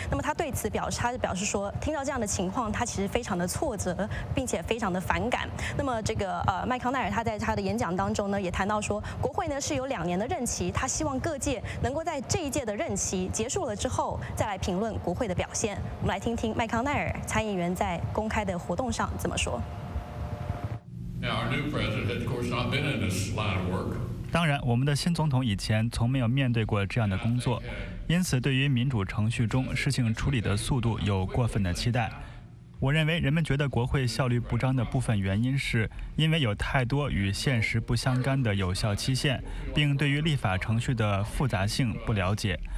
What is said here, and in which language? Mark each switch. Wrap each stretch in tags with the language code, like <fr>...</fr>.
<zh>那么他对此表示说，听到这样的情况，他其实非常的挫折，并且非常的反感。那么这个麦康奈尔他在他的演讲当中呢，也谈到说，国会呢是有两年的任期，他希望各界能够在这一届的任期结束了之后，再来评论国会的表现。我们来听听麦康奈尔参议员在公开的活动上怎么说。</zh> <en>Now our new president had, of course, not been in this line of work.</en> <zh>当然，我们的新总统以前从没有面对过这样的工作。因此对于民主程序中事情处理的速度有过分的期待。我认为人们觉得国会效率不彰的部分原因是因为有太多与现实不相干的有效期限，并对于立法程序的复杂性不了解。</zh>